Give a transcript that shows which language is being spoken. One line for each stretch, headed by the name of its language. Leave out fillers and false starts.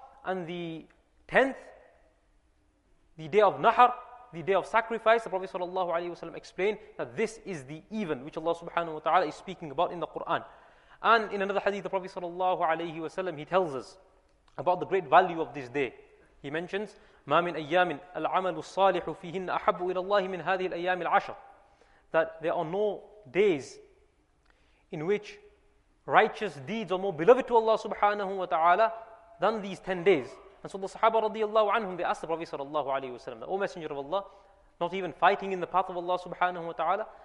English: And the 10th, the day of Nahr, the day of sacrifice, the Prophet sallallahu alayhi wasallam explained that this is the even which Allah subhanahu wa ta'ala is speaking about in the Quran. And in another hadith, the Prophet sallallahu alayhi wasallam, he tells us about the great value of this day. He mentions,
Arabic: مَا مِنْ أَيَّامٍ الْعَمَلُ الصَّالِحُ فِيهِنَّ أَحَبُّ إِلَى اللَّهِ مِنْ هَذِهِ الْأَيَّامِ الْعَشَرِ.
English: That there are no days in which righteous deeds are more beloved to Allah subhanahu wa ta'ala than these 10 days. And so the Sahaba radiallahu anhum, they asked the Prophet sallallahu alayhi wasallam, O Messenger of Allah, not even fighting in the path of Allah subhanahu wa ta'ala?